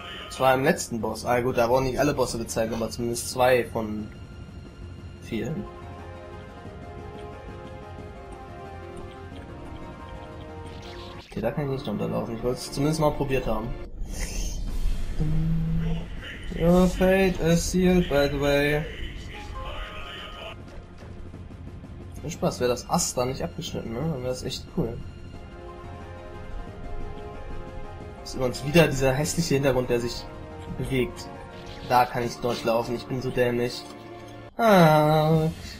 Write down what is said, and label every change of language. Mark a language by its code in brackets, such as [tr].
[de] Zwar im letzten Boss. Ah gut, da wurden nicht alle Bosse gezeigt, aber zumindest zwei von vielen. Okay, da kann ich nicht runterlaufen. Ich wollte es zumindest mal probiert haben. [en] Your fate is sealed, by the way. [de] Viel Spaß, wäre das Ast da nicht abgeschnitten, ne? Dann wäre das echt cool. Ist übrigens wieder dieser hässliche Hintergrund, der sich bewegt. Da kann ich durchlaufen, ich bin so dämlich. Ah.